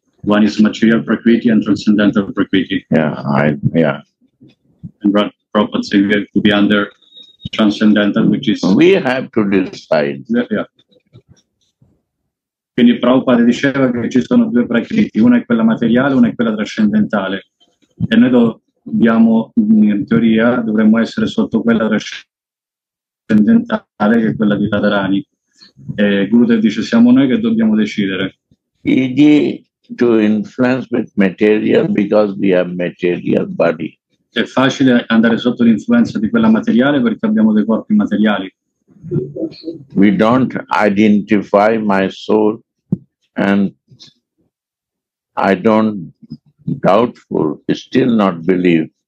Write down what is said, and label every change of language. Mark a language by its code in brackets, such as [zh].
[en] One is material prakriti and transcendental prakriti. And Prabhupada said we have to be under transcendental, which is... We have to decide. [it] Quindi Prabhupada diceva che ci sono due prakriti, una è quella materiale, una è quella trascendentale. E noi dobbiamo, in teoria, dovremmo essere sotto quella trascendentale, che è quella di Radharani. E Gurudev dice, siamo noi che dobbiamo decidere. [en] Easy to influence with material because we have material body. [it] È facile andare sotto l'influenza di quella materiale perché abbiamo dei corpi materiali. [en] We don't identify my soul and I don't doubtful, still not believe.